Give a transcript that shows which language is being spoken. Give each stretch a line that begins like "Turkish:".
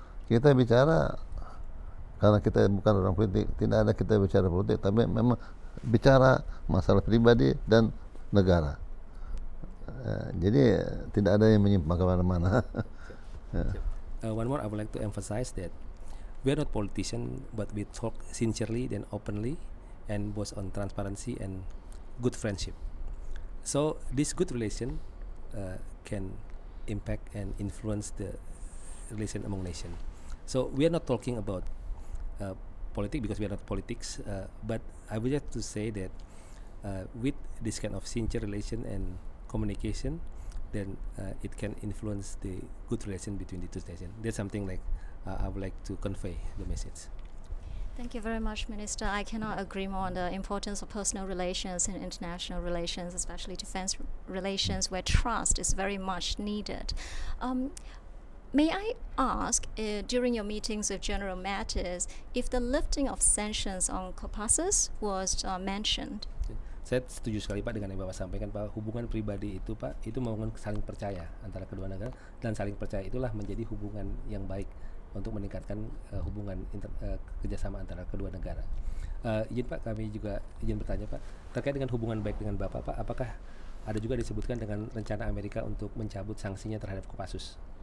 Indonesian: Kita bicara karena kita bukan orang politik, tidak ada kita bicara politik, tapi memang bicara masalah pribadi dan negara. Jadi tidak ada yang menyimpang ke mana-mana.
English: Yeah. One more, I would like to emphasize that we are not politician, but we talk sincerely and openly, and both on transparency and good friendship. So this good relation can impact and influence the relation among nation. So we are not talking about politics because we are not politics, but I would like to say that with this kind of sincere relation and communication, then it can influence the good relation between the two nations. That's something like I would like to convey the message. Thank you very much, Minister. I cannot agree more on the importance of personal relations and international relations, especially defense relations, where trust is very much needed. May I ask, during your meetings with General Mattis, if the lifting of sanctions on Caucasus was mentioned?
Indonesian: Saya setuju sekali, Pak, dengan yang Bapak sampaikan, Pak. Hubungan pribadi itu, Pak, itu membangun saling percaya antara kedua negara, dan saling percaya itulah menjadi hubungan yang baik untuk meningkatkan hubungan kerjasama antara kedua negara. Izin, Pak, kami juga izin bertanya, Pak, terkait dengan hubungan baik dengan Bapak, Pak, apakah ada juga disebutkan dengan rencana Amerika untuk mencabut sanksinya terhadap Caucasus?